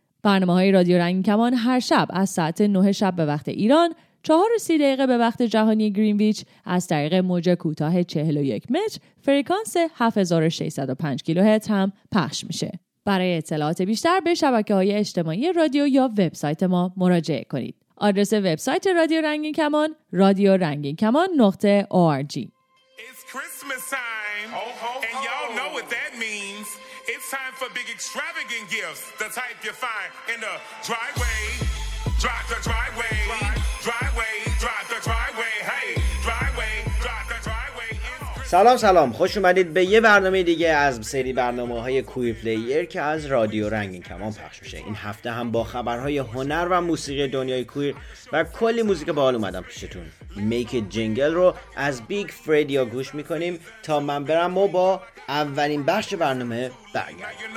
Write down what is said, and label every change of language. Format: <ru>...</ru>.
<fa>برنامه های رادیو رنگین کمان هر شب از ساعت 9 شب به وقت ایران، 4:30 به وقت جهانی گرینویچ از طریق موج کوتاه 41 متر فرکانس 7605 کیلوهرتز هم پخش میشه. برای اطلاعات بیشتر به شبکه‌های اجتماعی رادیو یا وبسایت ما مراجعه کنید. آدرس وبسایت رادیو رنگین کمان radiorangin.org.</fa> <en>It's Christmas time, and y'all know what that means. It's time for big extravagant gifts, the type you find in the driveway. Drive the driveway. Driveway, drive the driveway. Hey, driveway, drive the driveway.</en> <fa>سلام سلام، خوش اومدید به یه برنامه دیگه از سری برنامه‌های کوی پلیر که از رادیو رنگین کمان پخش میشه. این هفته هم با خبرهای هنر و موسیقی دنیای کویر و کلی موزیک باحال اومدم پیشتون. Make It Jingle رو از بیگ فریدیا گوش میکنیم تا من برم و با اولین بخش برنامه برگردم.</fa>